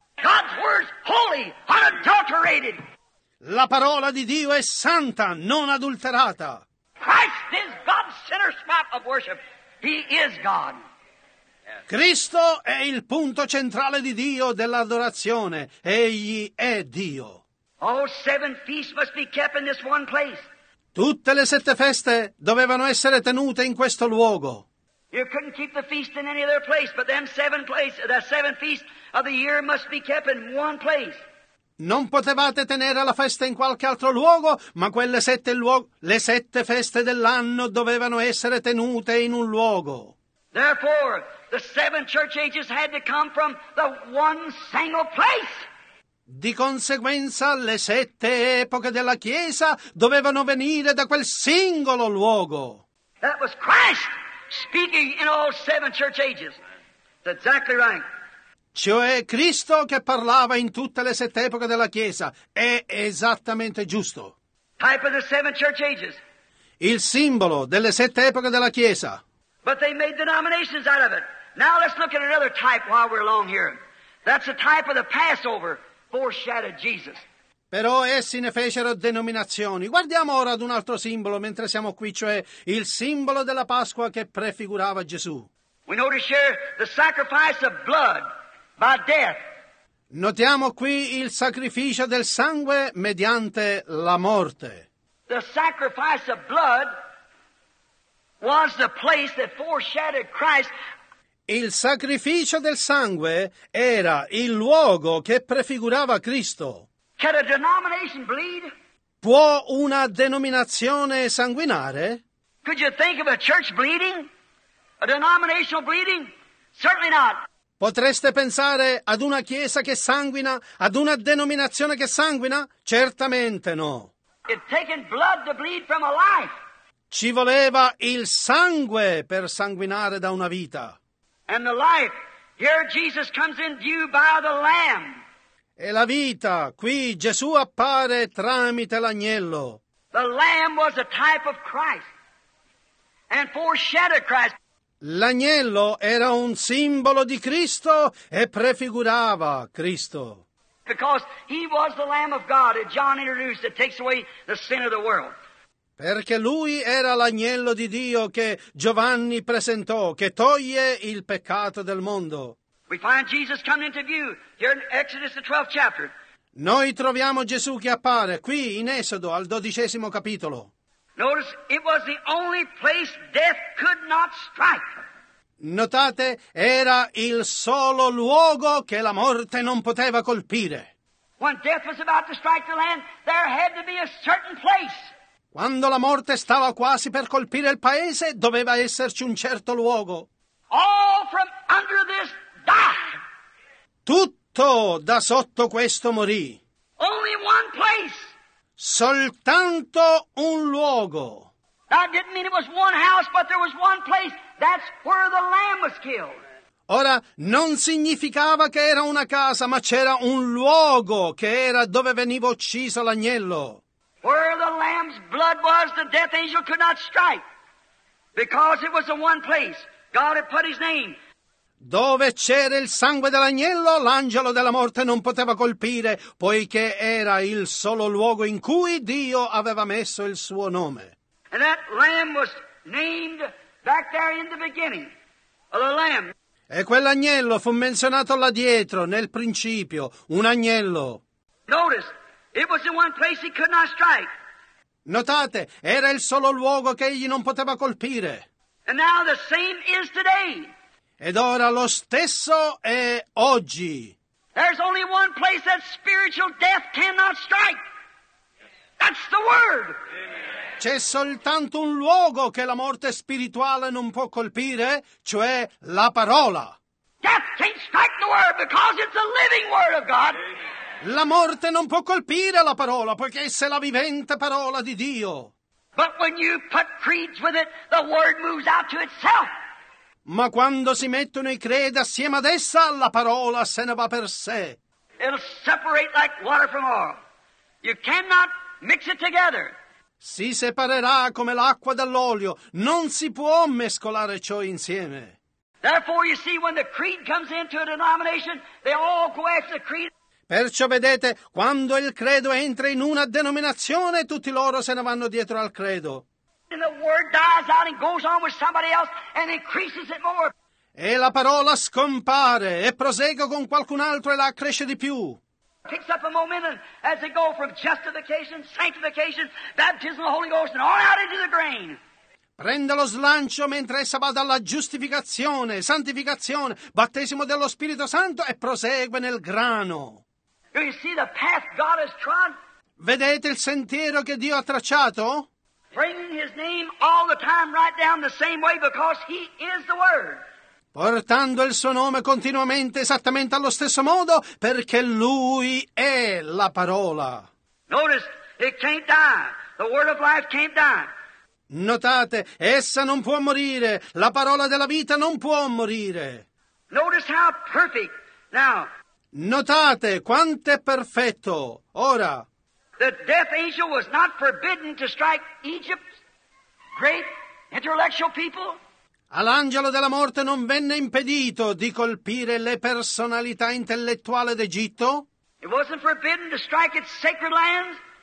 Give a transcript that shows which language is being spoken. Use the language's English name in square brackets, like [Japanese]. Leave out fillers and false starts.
[English] God's word is holy, unadulterated. [Italian] La parola di Dio è santa, non adulterata. [English] Christ is God's center spot of worship. He is God. [Italian] Cristo è il punto centrale di Dio dell'adorazione. Egli è Dio. [English] All seven feasts must be kept in this one place. [Italian] Tutte le sette feste dovevano essere tenute in questo luogo. [English] You couldn't keep the feast in any other place, but them seven place, the seven feasts of the year must be kept in one place. [Italian] Non potevate tenere la festa in qualche altro luogo, ma quelle sette le sette feste dell'anno dovevano essere tenute in un luogo. [English] Therefore, the seven church ages had to come from the one single place. [Italian] Di conseguenza, le sette epoche della Chiesa dovevano venire da quel singolo luogo. [English] That was Christ speaking in all seven church ages. That's exactly right. [Italian] Cioè Cristo che parlava in tutte le sette epoche della Chiesa. È esattamente giusto. [English] Type of the seven church ages. [Italian] Il simbolo delle sette epoche della Chiesa. [English] But they made denominations out of it. Now let's look at another type while we're along here. That's the type of the Passover foreshadowed Jesus. [Italian] Però essi ne fecero denominazioni. Guardiamo ora ad un altro simbolo mentre siamo qui, cioè il simbolo della Pasqua che prefigurava Gesù. [English] We notice here the sacrifice of blood by death. [Italian] Notiamo qui il sacrificio del sangue mediante la morte. [English] The sacrifice of blood was the place that foreshadowed Christ. [Italian] Il sacrificio del sangue era il luogo che prefigurava Cristo. [English] Can a denomination bleed? [Italian] Può una denominazione sanguinare? [English] Could you think of a church bleeding? A denominational bleeding? Certainly not. [Italian] Potreste pensare ad una chiesa che sanguina, ad una denominazione che sanguina? Certamente no. [English] It's taken blood to bleed from a life. [Italian] Ci voleva il sangue per sanguinare da una vita. [English] And the life, here Jesus comes in view by the Lamb. [Italian] E la vita, qui Gesù appare tramite l'agnello. [English] The Lamb was a type of Christ and foreshadowed Christ. [Italian] L'agnello era un simbolo di Cristo e prefigurava Cristo. [English] Because he was the Lamb of God that John introduced that takes away the sin of the world. [Italian] Perché lui era l'agnello di Dio che Giovanni presentò, che toglie il peccato del mondo. [English] We find Jesus coming into view here in Exodus, the 12th chapter. [Italian] Noi troviamo Gesù che appare qui in Esodo, al 12° capitolo. [English] Notice, it was the only place death could not strike. [Italian] Notate, era il solo luogo che la morte non poteva colpire. [English] When death was about to strike the land, there had to be a certain place. [Italian] Quando la morte stava quasi per colpire il paese, doveva esserci un certo luogo. [English] All from under this die. [Italian] Tutto da sotto questo morì. [English] Only one place. [Italian] Soltanto un luogo. [English] That didn't mean it was one house, but there was one place. That's where the Lamb was killed. [Italian] Ora, non significava che era una casa, ma c'era un luogo che era dove veniva ucciso l'agnello. [English] Where the Lamb's blood was, the death angel could not strike. Because it was the one place. God had put his name. [Italian] Dove c'era il sangue dell'agnello, l'angelo della morte non poteva colpire, poiché era il solo luogo in cui Dio aveva messo il suo nome. [English] And that lamb was named back there in the beginning. The lamb. [Italian] E quell'agnello fu menzionato là dietro, nel principio, un agnello. [English] Notice, it was in one place he could not strike. [Italian] Notate, era il solo luogo che egli non poteva colpire. [English] And now the same is today. [Italian] Ed ora lo stesso è oggi. [English] There's only one place that spiritual death cannot strike. That's the Word. [Italian] C'è soltanto un luogo che la morte spirituale non può colpire, cioè la parola. [English] Death can't strike the Word because it's the living Word of God. [Italian] La morte non può colpire la parola perché essa è la vivente parola di Dio. [English] But when you put creeds with it, the Word moves out to itself. [Italian] Ma quando si mettono i credi assieme ad essa, la parola se ne va per sé. [English] It'll separate like water from oil. You cannot mix it together. [Italian] Si separerà come l'acqua dall'olio. Non si può mescolare ciò insieme. [English] Therefore, you see, when the creed comes into a denomination, they all go after the creed. [Italian] Perciò vedete, quando il credo entra in una denominazione, tutti loro se ne vanno dietro al credo. [English] And the word dies out and goes on with somebody else and increases it more. [Italian] E la parola scompare e prosegue con qualcun altro e la accresce di più. [English] Picks up a momentum as they go from justification, sanctification, baptism of the Holy Ghost and on out into the grain. [Italian] Prende lo slancio mentre essa va dalla giustificazione, santificazione, battesimo dello Spirito Santo e prosegue nel grano. [English] Do you see the path God has trod? [Italian] Vedete il sentiero che Dio ha tracciato? [English] Bringing his name all the time right down the same way because he is the Word. [Italian] Portando il suo nome continuamente esattamente allo stesso modo perché lui è la parola. [English] Notice, it can't die. The Word of Life can't die. [Italian] Notate, essa non può morire. La parola della vita non può morire. [English] Notice how perfect. Now. [Italian] Notate quanto è perfetto. Ora. [English] The death angel was not forbidden to strike Egypt's great intellectual people. [Italian] All'angelo della morte non venne impedito di colpire le personalità intellettuali d'Egitto. [English] It wasn't forbidden to strike its sacred lands.